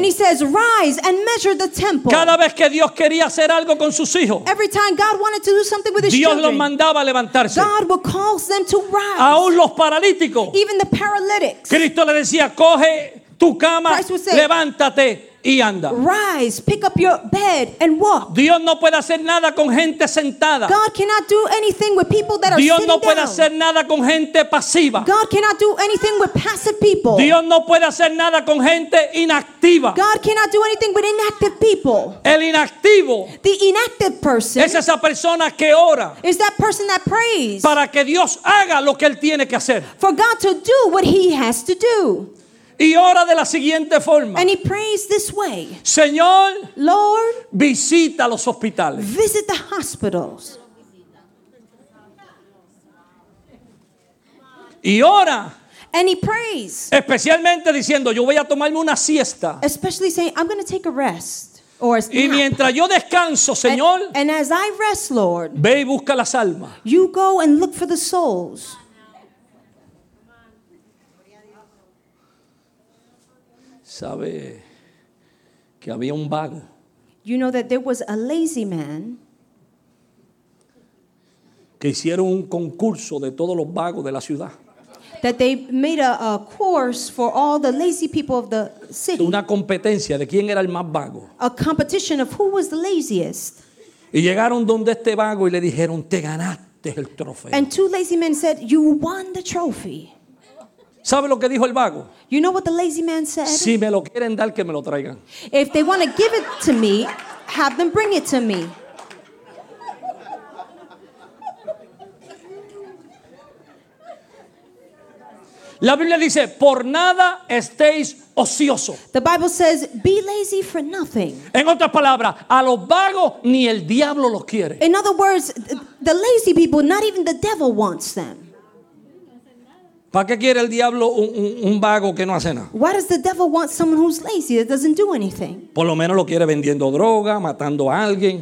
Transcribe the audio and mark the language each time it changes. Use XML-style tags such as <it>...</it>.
<en>And he says, rise and measure the temple.</en> <es>Cada vez que Dios quiere hacer algo con sus hijos,</es> <en>every time God wanted to do something with his</en> <es>Dios</es> <en>children,</en> <es>los mandaba a levantarse.</es> <en>God would cause them to rise.</en> <es>Aún los paralíticos,</es> <en>even the paralytics.</en> <es>Cristo le decía, coge tu cama, say, levántate y anda.</es> <en>Rise, pick up your bed and walk.</en> <es>Dios no puede hacer nada con gente sentada.</es> <en>God cannot do anything with people that</en> <es>Dios</es> <en>are sitting down.</en> <es>Dios no puede hacer nada con gente pasiva.</es> <en>God cannot do anything with passive people.</en> <es>Dios no puede hacer nada con gente inactiva.</es> <en>God cannot do anything with inactive people.</en> <es>El inactivo,</es> <en>the inactive person,</en> <es>es esa persona que ora,</es> <en>is that person that prays,</en> <es>para que Dios haga lo que él tiene que hacer,</es> <en>for God to do what he has to do.</en> <es>Y ora de la siguiente forma.</es> <en>And he prays this way.</en> <es>Señor,</es> <en>Lord,</en> <es>visita los hospitales.</es> <en>Visit the hospitals.</en> <es>Y ora.</es> <en>And he prays.</en> <es>Especialmente diciendo, yo voy a tomarme una siesta.</es> <en>Especially saying, I'm going to take a rest or a nap.</en> <es>Y mientras yo descanso, Señor,</es> <en>and as I rest, Lord,</en> <es>ve y busca las almas.</es> <en>You go and look for the souls.</en> <es>Sabe que había un vago.</es> <en>You know that there was a lazy man.</en> <es>Que hicieron un concurso de todos los vagos de la ciudad.</es> <en>That they made a course for all the lazy people of the city.</en> <es>Una competencia de quién era el más vago.</es> <en>A competition of who was the laziest.</en> <es>Y llegaron donde este vago y le dijeron, te ganaste el trofeo.</es> <en>And two lazy men said, you won the trophy.</en> <es>¿Sabe lo que dijo el vago?</es> <en>You know what the lazy man said?</en> <es>Si me lo quieren dar, que me lo traigan.</es> <en>If they want to give it to me, have them bring it to me.</en> <es>La Biblia dice, por nada estéis ocioso.</es> <en>The Bible says, be lazy for nothing.</en> <es>En otras palabras, a los vagos ni el diablo los quiere.</es> <en>In other words, the lazy people, not even the devil wants them.</en> <es>¿Para qué quiere el diablo un vago que no hace nada?</es> <en>Why does the devil want someone who's lazy that doesn't do anything?</en> <es>Por lo menos lo quiere vendiendo droga, matando a alguien,</es>